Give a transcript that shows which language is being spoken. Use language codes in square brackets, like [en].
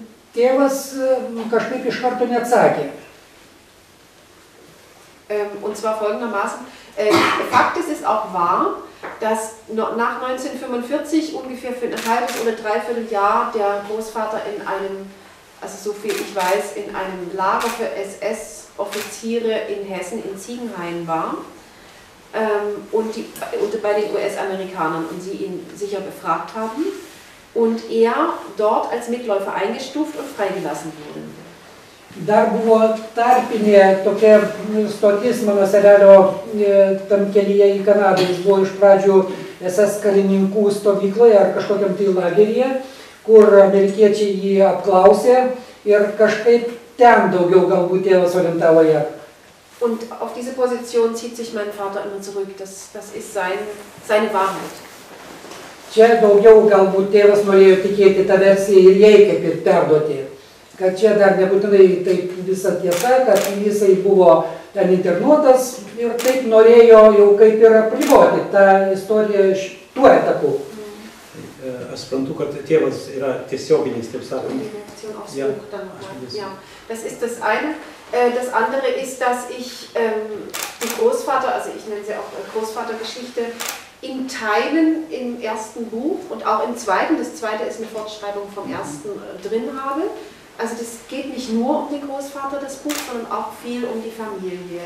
[lt] Tėvas kažkaip iš karto neatsakė. [de] Und zwar folgendermaßen, Fakt ist, es auch wahr, dass nach 1945 ungefähr für ein halbes oder dreiviertel Jahr der Großvater in einem, also so viel ich weiß, in einem Lager für SS-Offiziere in Hessen in Ziegenhain war und bei den US-Amerikanern und sie ihn sicher befragt haben und er dort als Mitläufer eingestuft und freigelassen wurde. [lt] Da buvo tarpinė tokia stotis mano senelio tam kelyje į Kanadą. Jis buvo iš pradžių SS karininkų stovykloje ar kažkokiam tai lageryje, kur amerikiečiai jį apklausė ir kažkaip ten daugiau galbūt tėvas orientavo ją. [de] Und auf diese Position zieht sich mein Vater immer zurück. Das ist seine Wahrheit. [lt] Čia daugiau galbūt tėvas norėjo tikėti tą versiją ir jai kaip ir perduoti. Kad čia dar nebūtinai taip visa tiesa, kad jisai buvo ten internuotas ir taip norėjo jau kaip ir apriboti tą istoriją iš tuo etapu. Aš suprantu, kad tėvas yra tiesioginis, taip sakant. [de] Ja. Ja. Das ist das eine. Das andere ist, dass ich die Großvater, also ich nenne sie auch Großvatergeschichte, in Teilen im ersten Buch und auch im zweiten, das zweite ist eine Fortschreibung vom ersten, drin habe. Also das geht nicht nur um den Großvater, das Buch, sondern auch viel um die Familie.